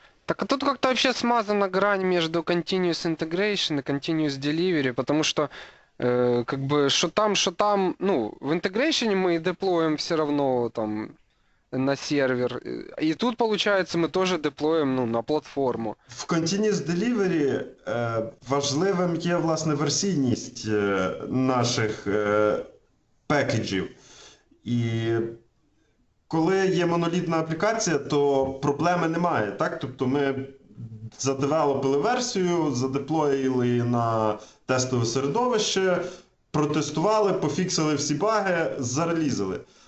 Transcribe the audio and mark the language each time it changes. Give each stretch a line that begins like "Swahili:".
Russian: Так а тут как-то вообще смазана грань между continuous integration и continuous delivery, потому что как бы что там, ну, в integration мы деплоим все равно там на сервер. И тут, получается, мы тоже деплоїмо, ну, на платформу.
Ukrainian: В Continuous Delivery важливим є, власне, версійність наших пакеджів. І коли є монолітна аплікація, то проблеми немає, так? Тобто ми задевелопили версію, задеплоїли на тестове середовище, протестували, пофіксили всі баги, зарелізили.